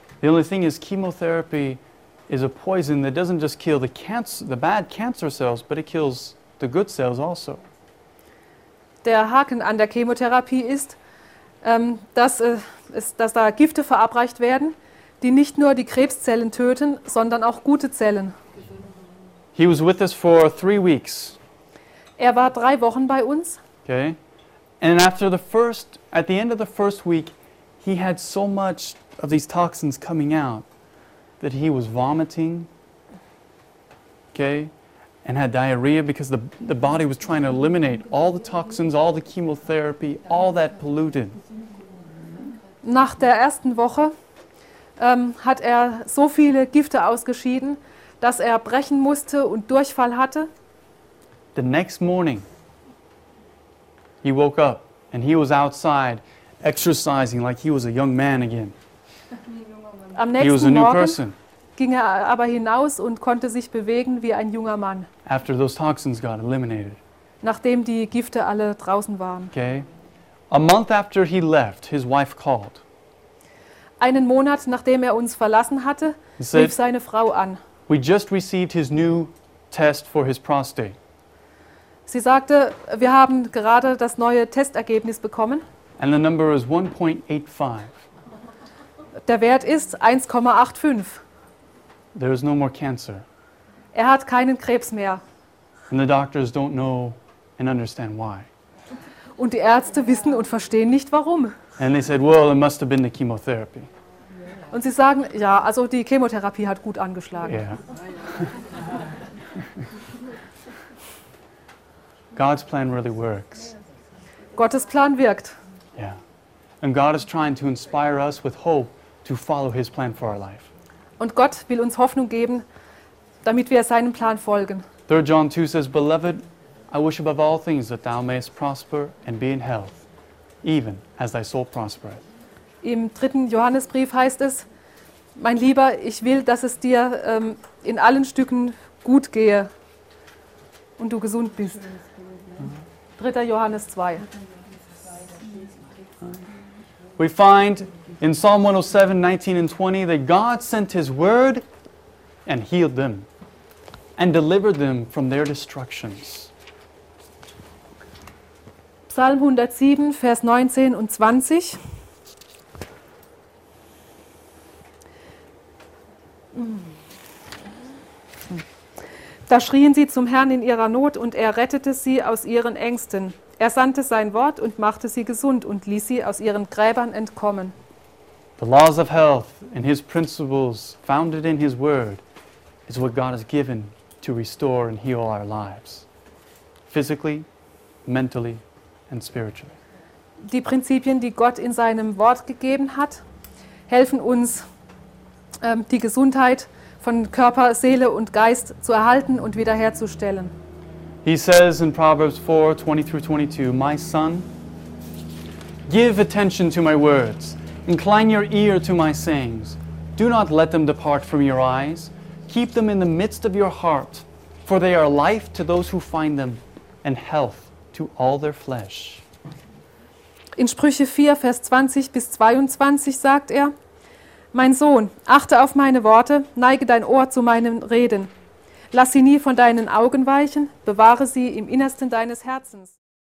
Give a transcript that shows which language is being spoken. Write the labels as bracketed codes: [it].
[en] The only thing is, chemotherapy is a poison that doesn't just kill the bad cancer cells, but it kills the good cells also. [de] Der Haken an der Chemotherapie ist, dass da Gifte verabreicht werden, die nicht nur die Krebszellen töten, sondern auch gute Zellen. [en] He was with us for 3 weeks. [de] Er war 3 Wochen bei uns. [en] Okay. And after the first, at the end of the first week, he had so much of these toxins coming out that he was vomiting. Okay. And had diarrhea because the body was trying to eliminate all the toxins, all the chemotherapy, all that polluted. [de] Nach der ersten Woche hat er so viele Gifte ausgeschieden, dass er brechen musste und Durchfall hatte. [en] The next morning, he woke up and he was outside exercising like he was a young man again. [de] Am nächsten Morgen ging er aber hinaus und konnte sich bewegen wie ein junger Mann. [en] After those toxins got eliminated. [de] Nachdem die Gifte alle draußen waren. [en] Okay. A month after he left, his wife called. [de] Einen Monat nachdem er uns verlassen hatte, rief seine Frau an. [en] We just received his new test for his prostate. [de] Sie sagte, wir haben gerade das neue Testergebnis bekommen. [en] And the number is 1.85. [de] Der Wert ist 1,85. [en] There is no more cancer. [de] Er hat keinen Krebs mehr. [en] And the doctors don't know and understand why. [de] Und die Ärzte wissen und verstehen nicht warum. [en] And they said, well, it must have been the chemotherapy. [de] Und sie sagen, ja, also die Chemotherapie hat gut angeschlagen. [en] Yeah. God's plan really works. [de] Gottes Plan wirkt. [en] Yeah. And God is trying to inspire us with hope to follow his plan for our life. [de] Und Gott will uns Hoffnung geben, damit wir seinem Plan folgen. [en] 3 John 2 says, Beloved, I wish above all things that thou mayest prosper and be in health, even as thy soul prospereth. [de] Im 3. Johannesbrief heißt es, Mein Lieber, ich will, dass es dir in allen Stücken gut gehe und du gesund bist. 3. Johannes 2. [en] We find in Psalm 107, 19 and 20 that God sent his word and healed them and delivered them from their destructions. [de] Psalm 107, Vers 19 und 20. Da schrien sie zum Herrn in ihrer Not und er rettete sie aus ihren Ängsten. Er sandte sein Wort und machte sie gesund und ließ sie aus ihren Gräbern entkommen. [en] The laws of health and his principles founded in his word is what God has given to restore and heal our lives, physically, mentally and spiritually. [de] Die Prinzipien, die Gott in seinem Wort gegeben hat, helfen uns, die Gesundheit von Körper, Seele und Geist zu erhalten und wiederherzustellen. [en] He says in Proverbs 4, 20-22, My son, give attention to my words. Incline your ear to my sayings. Do not let them depart from your eyes. Keep them in the midst of your heart, for they are life to those who find them and health to all their flesh. [de] In Sprüche 4, Vers 20 bis 22 sagt er, Mein Sohn, achte auf meine Worte, neige dein Ohr zu meinen Reden. Lass sie nie von deinen Augen weichen, bewahre sie im Innersten deines Herzens.